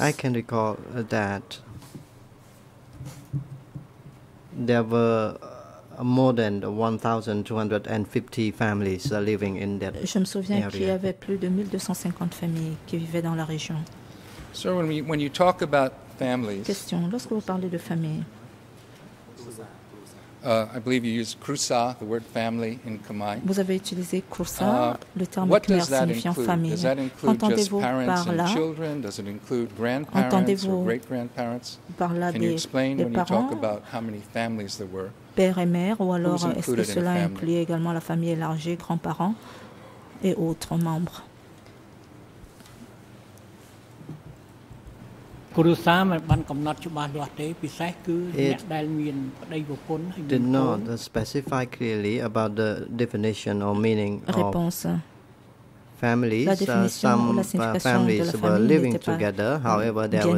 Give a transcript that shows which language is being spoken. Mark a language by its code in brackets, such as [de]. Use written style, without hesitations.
[en] I can recall that there were more than 1,250 families living in that area. [fr] Je me souviens qu'il y avait plus de 1,250 familles qui vivaient dans la région. [en] So when you talk about families, [fr] question, lorsque vous parlez de famille, [en] I believe you used krusa, the word family in Khmer. [fr] Vous avez utilisé krusa, le terme Khmer signifiant famille. Entendez-vous par là? [en] Does it include grandparents or great-grandparents? [fr] Par là [en] can you explain when you talk about how many families there were? [fr] Père et mère, ou alors est-ce que cela inclut également la famille élargie, grands-parents et autres membres? [en] It did not specify clearly about the definition or meaning [fr] réponse. [en] Of families. Some families were living together. However, there were